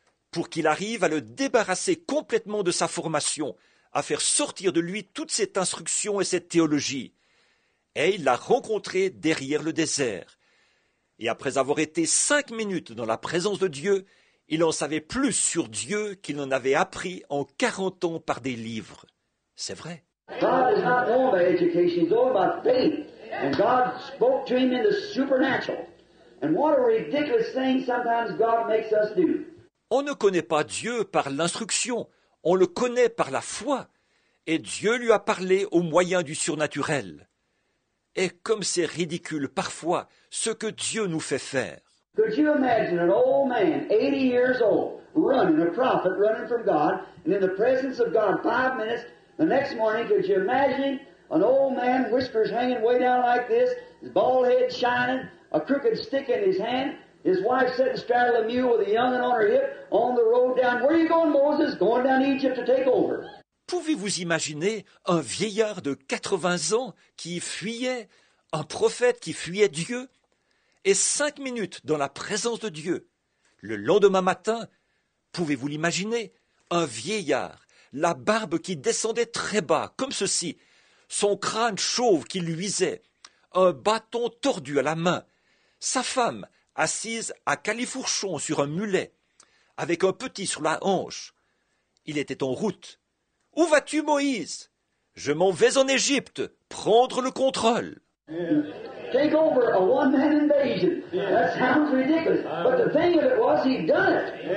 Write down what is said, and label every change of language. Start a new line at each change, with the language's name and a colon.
French: Pour qu'il arrive à le débarrasser complètement de sa formation, à faire sortir de lui toute cette instruction et cette théologie. Et il l'a rencontré derrière le désert. Et après avoir été 5 minutes dans la présence de Dieu, il en savait plus sur Dieu qu'il n'en avait appris en 40 ans par des livres. C'est vrai.
English: God is not known by education, he's known by faith. And God spoke to him in the supernatural. And what a ridiculous thing sometimes God makes us do.
French: On ne connaît pas Dieu par l'instruction, on le connaît par la foi. Et Dieu lui a parlé au moyen du surnaturel. Et comme c'est ridicule parfois ce que Dieu nous fait faire.
English: Could you imagine an old man, 80 years old, running, a prophet running from God, and in the presence of God 5 minutes, the next morning, could you imagine an old man, whiskers hanging way down like this, his bald head shining, a crooked stick in his hand? His wife sat and straddled a mule with a young one on her hip on the road down. Where are you going, Moses? Going down to Egypt to take over.
French: Pouvez-vous imaginer un vieillard de 80 ans qui fuyait, un prophète qui fuyait Dieu, et 5 minutes dans la présence de Dieu, le lendemain matin, pouvez-vous l'imaginer, un vieillard, la barbe qui descendait très bas, comme ceci, son crâne chauve qui luisait, un bâton tordu à la main, sa femme assise à califourchon sur un mulet, avec un petit sur la hanche. Il était en route. « Où vas-tu, Moïse ? Je m'en vais en Égypte, prendre le contrôle. »
English: Take over a one-man invasion. That sounds ridiculous. But the thing of it was, he'd done it.